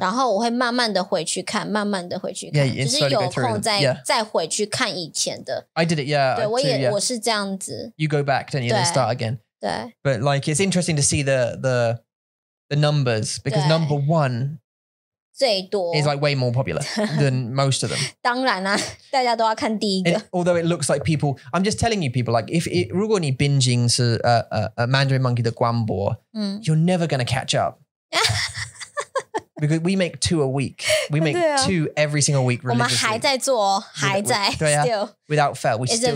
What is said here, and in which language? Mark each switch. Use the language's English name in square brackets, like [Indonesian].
[Chinese] 然后我会慢慢的回去看。 [English] Yeah, [Chinese] 就是有空再回去看以前的。 [English] I did it, yeah. [Chinese] 对, 我也, 我是这样子。 [English] You go back, don't you? 对, then start again. [Chinese] 对, [English] but like, it's interesting to see the numbers, because 对, number one It's like way more popular than most of them. [Chinese] 当然啊, 大家都要看第一个。 [English] Although it looks like people, I'm just telling you people, like if it, [Chinese] 如果你 [English] binging 是 Mandarin Monkey [Chinese] 的官播, [English] you're never going to catch up. Because we make two a week. We make two every single week religiously. [Chinese] 我们还在做哦,还在, [English] without fail, we still do.